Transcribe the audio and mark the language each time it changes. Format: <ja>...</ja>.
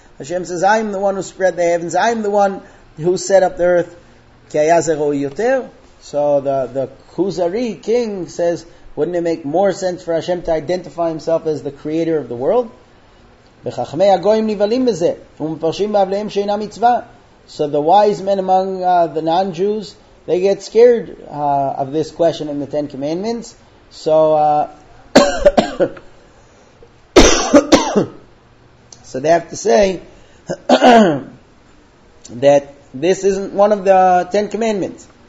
<en>Hashem says, I am the one who spread the heavens, I am the one who set up the earth,</en> <he>כי היה זה ראוי יותר.</he> <en>So the Kuzari king says, wouldn't it make more sense for Hashem to identify himself as the creator of the world?</en> <he>וחכמי הגויים נבלים בזה, ומפרשים בעבליהם שאינה מצווה.</he> <en>So the wise men among the non-Jews, they get scared of this question in the Ten Commandments. So so they have to say that this isn't one of the Ten Commandments.</en>